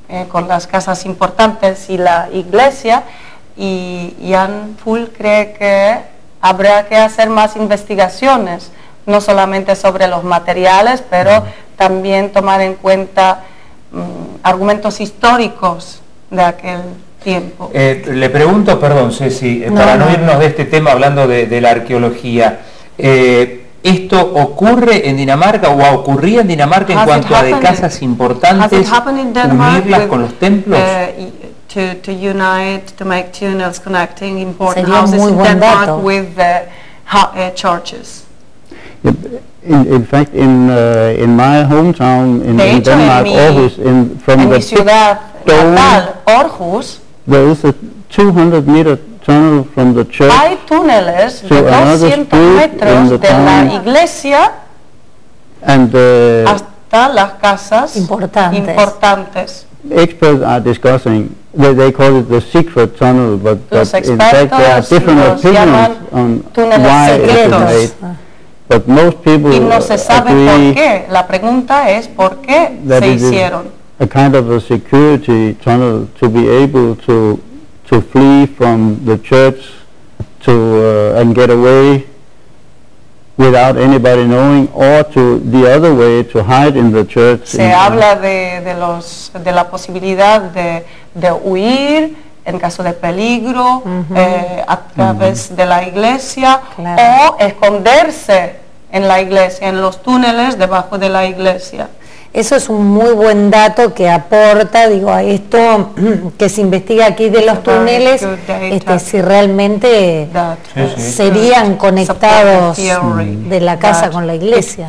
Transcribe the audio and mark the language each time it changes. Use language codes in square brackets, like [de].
[es] con las casas importantes y la iglesia, y Jan Ful cree que habrá que hacer más investigaciones, no solamente sobre los materiales, pero también tomar en cuenta argumentos históricos de aquel tiempo. Le pregunto, perdón, Ceci, para no irnos de este tema hablando de la arqueología, ¿esto ocurre en Dinamarca o ocurría en Dinamarca en cuanto a de casas importantes unirlas con los templos? [en] To unite, to make tunnels connecting important houses in Denmark with the churches. In fact, in my hometown in Denmark, Aarhus, Aarhus, there is a 200 meter tunnel from the church. [es] Hay túneles de 200 metros de la iglesia hasta las casas importantes. [en] Experts are discussing, they call it the secret tunnel, but in fact there are different opinions on why it is made. But most people [es] y no se sabe por qué. La pregunta es por qué se hicieron. [en] A kind of a security tunnel to be able to flee from the church and get away without anybody knowing, or to the other way, to hide in the church. [es] Se habla de la posibilidad de huir en caso de peligro a través de la iglesia, claro, o esconderse en la iglesia, en los túneles debajo de la iglesia. Eso es un muy buen dato que aporta, digo, a esto que se investiga aquí de los túneles, si realmente serían conectados de la casa con la iglesia.